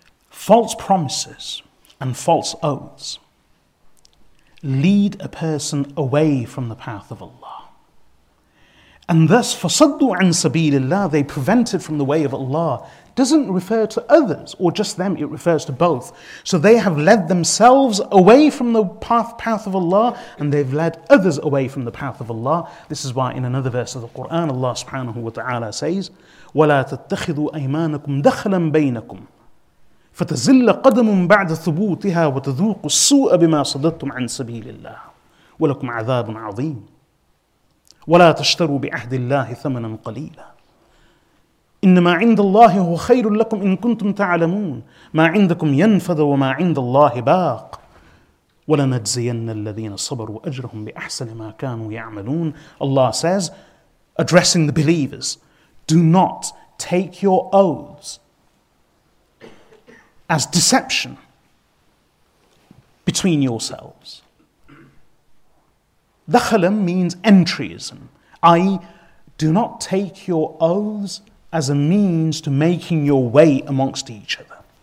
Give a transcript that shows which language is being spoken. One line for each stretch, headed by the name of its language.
English: False promises and false oaths lead a person away from the path of Allah. And thus,
Arabic: فَصَدُّوا عَن سَبِيلِ اللَّهِ,
English: they prevented from the way of Allah, doesn't refer to others or just them, it refers to both. So they have led themselves away from the path of Allah, and they've led others away from the path of Allah. This is why in another verse of the Quran, Allah subhanahu wa ta'ala says,
Arabic: وَلَا تَتَّخِذُوا أَيْمَانَكُمْ دَخَلًا بَيْنَكُمْ فَتَزِلَّ قَدَمٌ بَعْدَ ثُبُوتِهَا وَتَذُوقُ السُّوءَ بِمَا صَدَدْتُمْ عَن سَبِيلِ اللَّهِ وَلَكُمْ عَذَابٌ عَظِيمٌ وَلَا تَشْتَرُوا بِعَهْدِ اللَّهِ ثَمَنًا قَلِيلًا إِنَّمَا عِنْدَ اللَّهِ هُوَ خَيْرٌ لَكُمْ إِن كُنْتُمْ تَعْلَمُونَ مَا عِنْدَكُمْ يَنْفَدَ وَمَا عِنْدَ اللَّهِ بَاقٍ وَلَنَجْزِيَنَّ الَّذِينَ صَبَرُوا أَجْرَهُمْ بِأَحْسَنِ مَا كَانُوا يَعْمَلُونَ.
English: Allah says, addressing the believers, do not take your oaths as deception between yourselves. Dakhalam means entryism, i.e. do not take your oaths as a means to making your way amongst each other.